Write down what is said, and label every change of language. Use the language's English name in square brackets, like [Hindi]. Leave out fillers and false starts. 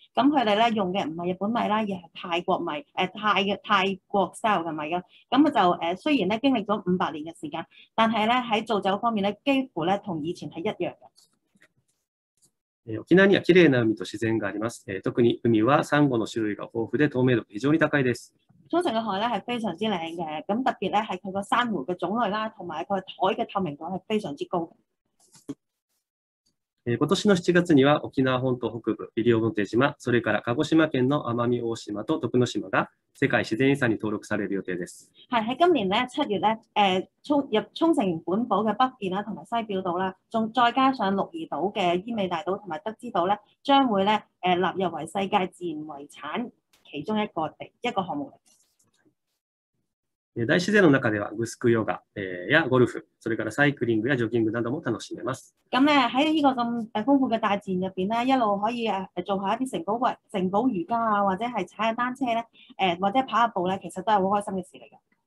[Cantonese] 咁佢哋咧用嘅唔係日本米啦，而係泰國米，泰國 style 嘅米噶。咁佢就雖然咧經歷咗500年嘅時間，但係咧喺造酒方面咧，幾乎咧同以前係一樣嘅。 [Japanese] 沖縄には綺麗な海と自然があります。特に海はサンゴの種類が豊富で透明度非常に高いです。 [Cantonese] 沖繩嘅海咧係非常之靚嘅，咁特別咧係佢個珊瑚嘅種類啦，同埋佢海嘅透明度係非常之高。 [Japanese] 今年の7月には沖縄本島北部西表島、それから鹿児島県の奄美大島と徳之島が世界自然遺産に登録される予定です。 [Cantonese] 係喺今年咧七月咧，沖繩本島嘅北邊啦，同埋西表島啦，仲再加上鹿兒島嘅伊美大島同埋德之島咧，將會咧納入為世界自然遺產其中一個項目。 [Japanese] 大自然の中ではグスクヨガやゴルフ、それからサイクリングやジョギングなども楽しめます。 [Cantonese] 咁咧喺呢個咁豐富嘅大自然入邊咧，一路可以做下一啲城堡瑜伽啊，或者係踩下單車咧，或者跑下步咧，其實都係好開心嘅事嚟嘅。